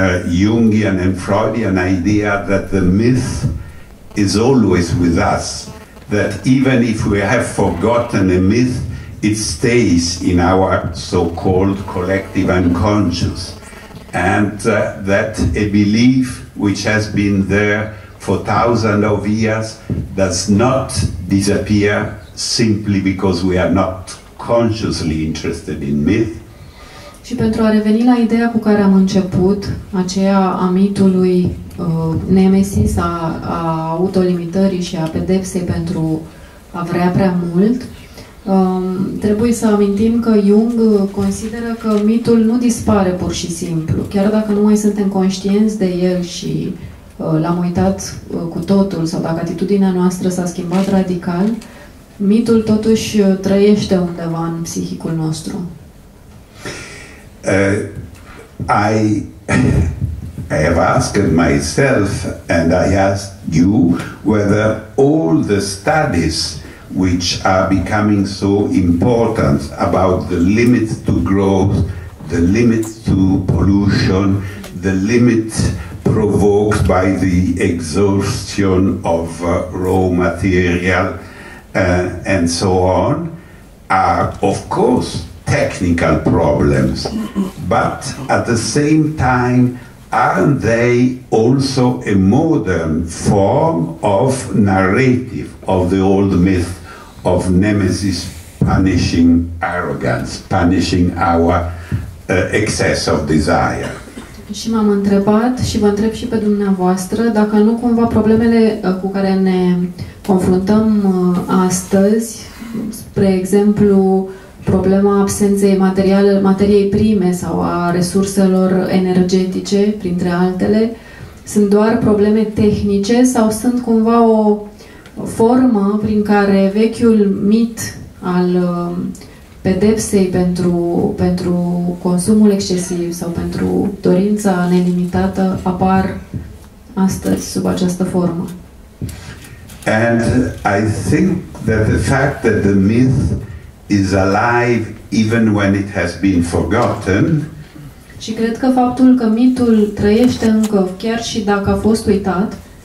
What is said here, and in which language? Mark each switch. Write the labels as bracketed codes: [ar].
[en] Jungian and Freudian idea, that the myth is always with us, that even if we have forgotten a myth, it stays in our so-called collective unconscious, and that a belief which has been there for thousands of years does not disappear simply because we are not consciously interested in myth. [ro] Și pentru a reveni la ideea cu care am început, aceea a mitului Nemesis, a autolimitării și a pedepsei pentru a vrea prea mult, trebuie să amintim că Jung consideră că mitul nu dispare pur și simplu. Chiar dacă nu mai suntem conștienți de el și l-am uitat cu totul sau dacă atitudinea noastră s-a schimbat radical, mitul totuși trăiește undeva în psihicul nostru. [en] I have asked myself and I asked you whether all the studies which are becoming so important about the limits to growth, the limits to pollution, the limits provoked by the exhaustion of raw material and so on are of course technical problems, but at the same time aren't they also a modern form of narrative of the old myth of Nemesis punishing arrogance, punishing our excess of desire? [ro] Și m-am întrebat și vă întreb și pe dumneavoastră dacă nu cumva problemele cu care ne confruntăm astăzi, spre exemplu problema absenței materiei prime sau a resurselor energetice, printre altele, sunt doar probleme tehnice sau sunt cumva o formă prin care vechiul mit al pedepsei pentru consumul excesiv sau pentru dorința nelimitată apar astăzi sub această formă? [en] And I think that the fact that the myth is alive even when it has been forgotten. [ro] Și cred că faptul că mitul trăiește încă chiar și dacă a fost uitat.